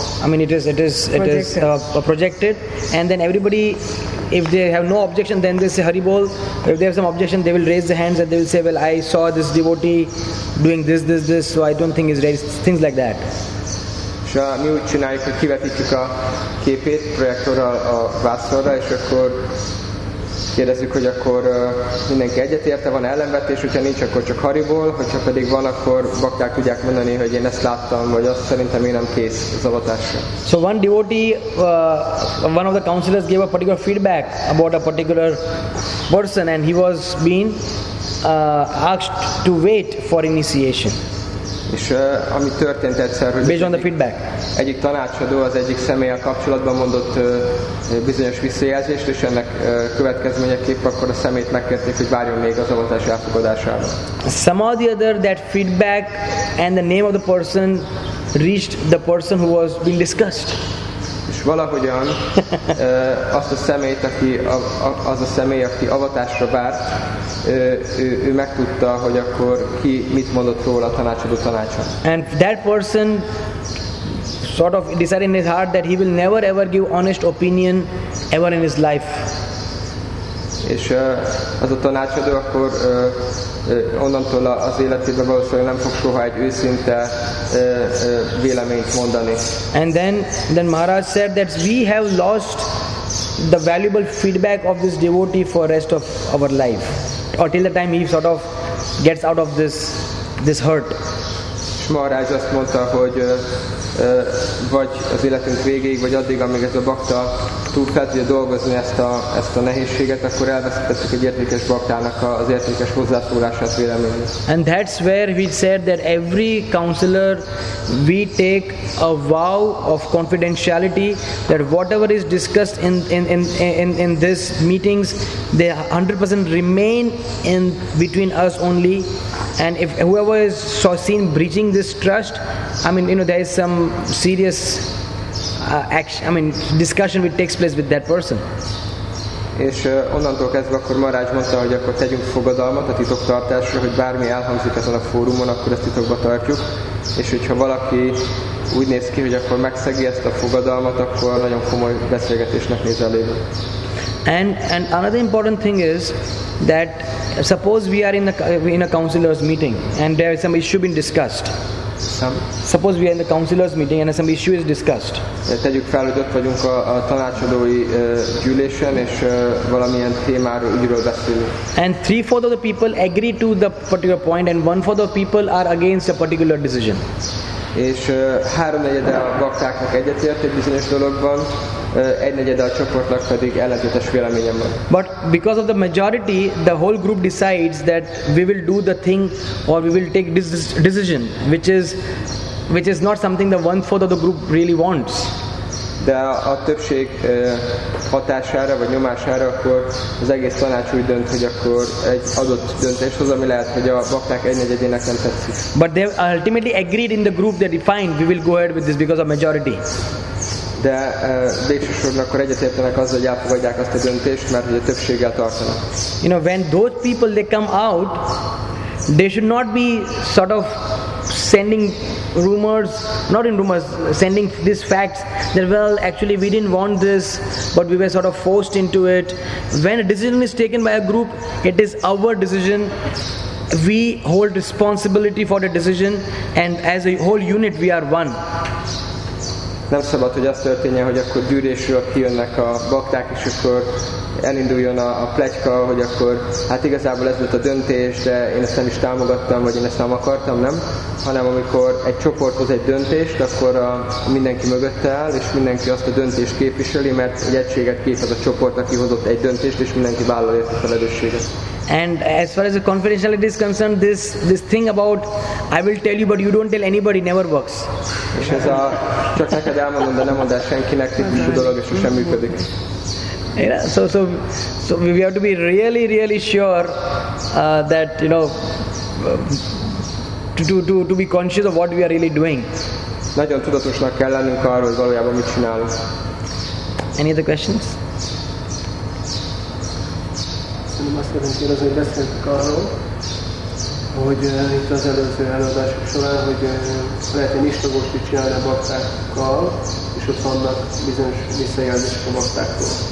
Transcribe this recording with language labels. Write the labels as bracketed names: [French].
[English] I mean it is projected, and then everybody, if they have no objection, then they say Hari Bol. If they have some objection, they will raise their hands and they will say, well, I saw this devotee doing this, so I don't think he's raised, things like that. [Hungarian] És mi úgy csináljuk, hogy kivetítjük a képét projektorra a vászorra, és akkor kérdezzük, hogy akkor mindenki egyetérte, van ellenvetés, hogyha nincs, akkor csak Hari Bol, hogyha pedig van, akkor bakták tudják mondani, hogy én ezt láttam, vagy azt szerintem én nem kész az avatásra. [English] So one devotee, one of the counselors gave a particular feedback about a particular person, and he was being asked to wait for initiation. [Hungarian] És ami történt egyszer, hogy [English] based on the feedback. [Hungarian] Egyik tanácsadó az egyik személlyel kapcsolatban mondott bizonyos visszajelzést, és ennek következményeképp akkor a szemét megkérték, hogy várjon még az avatás elfogadására. [English] Some of the other that feedback and the name of the person reached the person who was being discussed. [Hungarian] És valahogyan azt a személyt, aki az a személy, aki avatásra várt, ő megtudta, hogy akkor ki mit mondott róla a tanácsadó tanácsa. [English] And that person sort of decided in his heart that he will never ever give honest opinion ever in his life. [Hungarian] És az a tanácsadó akkor onnantól az életében valószínűleg nem fog soha egy őszinte véleményt mondani. [English] And then Maharaj said that we have lost the valuable feedback of this devotee for rest of our life, or till the time he sort of gets out of this hurt. [Hungarian] És Maharaj azt mondta, hogy vagy az életünk végéig, vagy addig, amíg ez a bakta túl fel tudja dolgozni ezt a nehézséget, akkor elvesztettük egy értékes baktának az értékes hozzászólását, véleményét. [English] And that's where we said that every counselor we take a vow of confidentiality, that whatever is discussed in this meetings, they 100% remain in between us only. And if whoever is so seen breaching this trust, I mean, you know, there is some serious action, I mean, discussion which takes place with that person. [Hungarian] És onnantól kezdve akkor Maharaj mondta, hogy akkor tegyünk fogadalmat a titoktartásra, hogy bármi elhangzik ezen a fórumon, akkor ezt titokba tartjuk. És hogyha valaki úgy néz ki, hogy akkor megszegi ezt a fogadalmat, akkor nagyon komoly beszélgetésnek néz elébe. [English] And another important thing is that suppose we are in a counselor's meeting and there is some issue being discussed. Suppose we are in the counselor's meeting and some issue is discussed. [Hungarian] Tegyük fel, hogy ott vagyunk a tanácsadói gyűlésen, és valamilyen témáról, ügyről beszélünk. [English] And 3/4 of the people agree to the particular point and 1/4 of the people are against a particular decision. [Hungarian] És 3/4 a baktáknak egyetért egy bizonyos dologban, 1/4 a csoportnak pedig ellentétes véleményem van. [English] But because of the majority, the whole group decides that we will do the thing or we will take this decision, which is not something the 1/4 of the group really wants. [Hungarian] De a többség hatására vagy nyomására akkor az egész tanács úgy dönt, hogy akkor egy adott döntést hoz, ami lehet, hogy a bakták 1/4-ének nem tetszik. [English] But they ultimately agreed in the group that fine, we will go ahead with this because of majority. [Hungarian] De végsősorban akkor egyetértenek azzal, hogy elfogadják azt a döntést, mert hogy a többséggel tartanak. [English] You know, when those people they come out, they should not be sort of sending rumors, not in rumors, sending these facts that, well, actually we didn't want this, but we were sort of forced into it. When a decision is taken by a group, it is our decision. We hold responsibility for the decision, and as a whole unit, we are one. [Hungarian] Nem szabad, hogy az történjen, hogy akkor gyűlésről kijönnek a bakták, és akkor elinduljon a pletyka, hogy akkor hát igazából ez volt a döntés, de én ezt nem is támogattam, vagy én ezt nem akartam, nem? Hanem amikor egy csoport hoz egy döntést, akkor mindenki mögötte áll, és mindenki azt a döntést képviseli, mert egy egységet képez a csoport, aki hozott egy döntést, és mindenki vállalja a felelősséget. [English] And as far as the confidentiality is concerned, this thing about I will tell you but you don't tell anybody never works. [Hungarian] És ez a csak neked elmondom, de nem mondd el senkinek típusú dolog, és sosem működik. [English] Yeah, so we have to be really really sure that, you know, to be conscious of what we are really doing. [Hungarian] Nagyon tudatosnak kell lennünk arról, hogy valójában mit csinálunk. [English] Any other questions? [Hungarian] mondom azt, hogy az, hogy beszéltük arról, hogy itt az előző előadások során, hogy lehet egy istagosti csinálni a baktákkal, és ott vannak bizonyos visszajelzések a baktáktól.